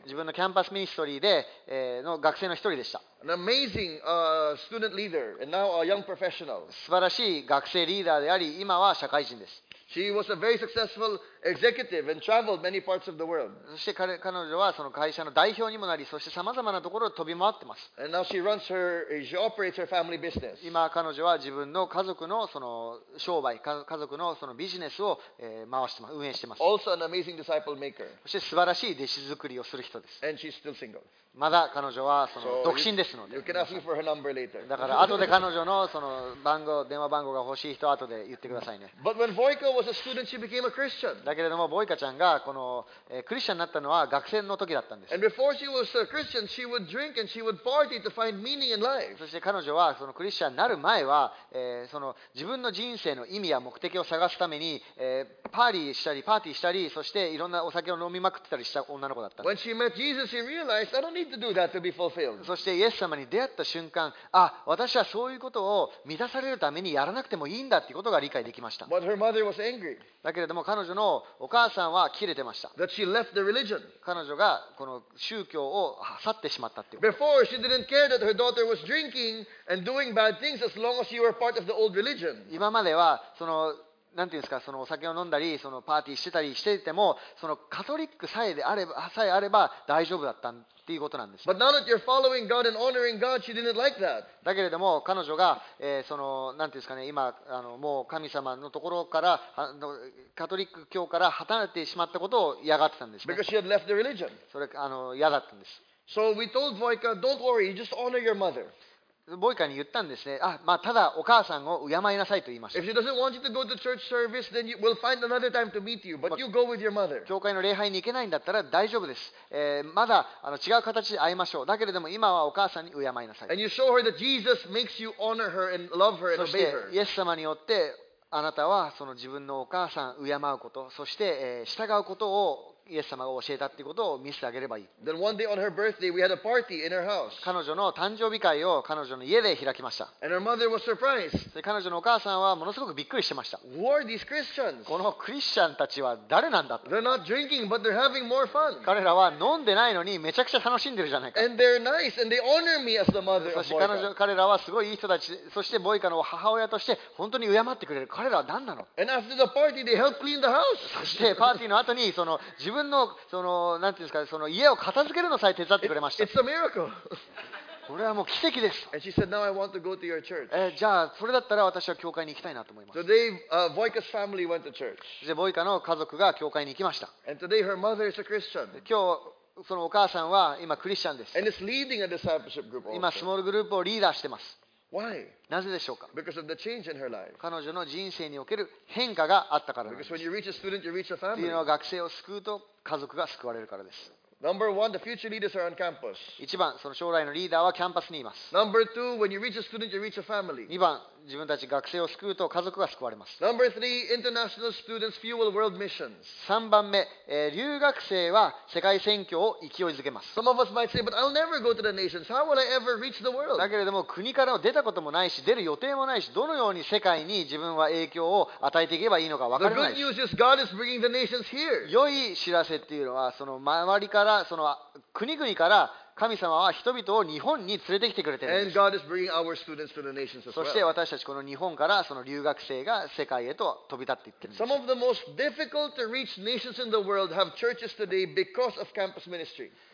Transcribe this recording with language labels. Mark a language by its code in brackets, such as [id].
[ja] 自分のキャンパスミニストリーで、の学生の一人でした。 [en] Amazing student leader, and now a young professional. [ja] 素晴らしい学生リーダーであり、今は社会人です。 [en] She was a very successful executive and traveled many parts of the world. [ja] そして彼女はその会社の代表にもなり、そしてさまざまなところを飛び回ってます。 [en] And now she runs she operates her family business. [ja] 今彼女は自分の家族のその商売、家族のそのビジネスを回してます、運営してます。 [en] Also an amazing disciple maker. [ja] そして素晴らしい弟子作りをする人です。 [en] And she's still single. [ja] まだ彼女はその独身ですので、だから後で彼女 の, その番号電話番号が欲しい人は後で言ってくださいね。 [en] But when Voika was a student, she became a Christian. [ja] だけれどもボイカちゃんがこのクリスチャンになったのは学生の時だったんです。 [en] And before she was a Christian, she would drink and she would party to find meaning in life. [ja] そして彼女はそのクリスチャンになる前は、その自分の人生の意味や目的を探すために、パーティーしたりパーティーしたり、そしていろんなお酒を飲みまくってたりした女の子だったんです。 [en] When she met Jesus, she realized I don't need to do that to be fulfilled. [ja] そしてイエス様に出会った瞬間、あ、私はそういうことを満たされるためにやらなくてもいいんだっていうことが理解できました。 [en] But her mother was angry. [ja] だけれども彼女のお母さんは切れてました。 [en] That she left the religion. [ja] 彼女がこの宗教を去ってしまったっていう。 [en] Before she didn't care that her daughter was drinking and doing bad things as long as she were part of the old religion. [ja] 今まではそのなんていうんですか、そのお酒を飲んだり、そのパーティーしてたりしていても、そのカトリックさえあれば大丈夫だったっていうことなんです。 [en] But now that you're following God and honoring God, she didn't like that. [ja] だけれども彼女が、そのなんていうんですかね、今もう神様のところからカトリック教から離れてしまったことを嫌がってたんですね。 [en] Because she had left the religion. [ja] それ嫌だったんです。 [en] So we told Voika, don't worry, just honor your mother. [ja] ボイカに言ったんですね。あ、まあ、ただお母さんを敬いなさいと言いました。 [en] If she doesn't want you to go to church service, then we'll find another time to meet you. But you go with your mother. [ja] 教会の礼拝に行けないんだったら大丈夫です。まだ違う形で会いましょう。だけれども今はお母さんに敬いなさい。 [en] And you show her that Jesus makes you honor her and love her and obey her. [ja] そしてイエス様によってあなたはその自分のお母さんを敬うこと、そして従うことをイエス様が教えたということを見せてあげればいい。 [en] Then one day on her birthday, we had a party in her house. [ja] 彼女の誕生日会を彼女の家で開きました。 [en] And her mother was surprised. [ja] 彼女のお母さんはものすごくびっくりしてました。 [en] Who are these Christians? [ja] このクリスチャンたちは誰なんだと。 [en] They're not drinking, but they're having more fun. [ja] 彼らは飲んでないのにめちゃくちゃ楽しんでるじゃないか。 [en] And they're nice, and they honor me as the mother of Boyka. [ja] そして彼らはすごいいい人たち、そしてボイカの母親として本当に敬ってくれる。彼らは何なの？ [en] And after the party, they helped clean the house. [ja] そしてパーティーの後にその自分自分のそのなんていうんですか、その家を片付けるのさえ手伝ってくれました。 [en] It's a miracle. [ja] これはもう奇跡です。 [en] And she said, "Now I want to go to your church." [ja] じゃあそれだったら私は教会に行きたいなと思います。 [en] Today, Voika's family went to church. [ja] で、ボイカの家族が教会に行きました。 [en] And today, her mother is a Christian. [ja] 今日そのお母さんは今クリスチャンです。 [en] And is leading a discipleship group. [ja] 今スモールグループをリーダーしてます。 [en] Why? [ja] なぜでしょうか。 [en] Because of the change in her life. [ja] 彼女の人生における変化があったからです。 [en] Because when you reach a student, you reach a family. [ja] というのは学生を救うと家族が救われるからです。 [en] Number one, the future leaders are on campus. [ja] 1番、その将来のリーダーはキャンパスにいます。 [en] Number two, when you reach a student, you reach a family. [ja] 2番、自分たち学生を救うと家族が救われます。 [en] Number three, international students fuel world missions. [ja] 3番目、留学生は世界宣教を勢いづけます。 [en] Some of us might say, but I'll never go to the nations. How will I ever reach the world? [ja] だけれども国から出たこともないし、出る予定もないし、どのように世界に自分は影響を与えていけばいいのか分からない。 [en] The good news is God is bringing the nations here. [ja] 良い知らせっていうのはその周りからその国々から神様は人々を日本に連れてきてくれてるんです。そして私たちこの日本からその留学生が世界へと飛び立っていってるんです。 [en] Some of the most difficult to reach nations in the world have churches today because of campus ministry.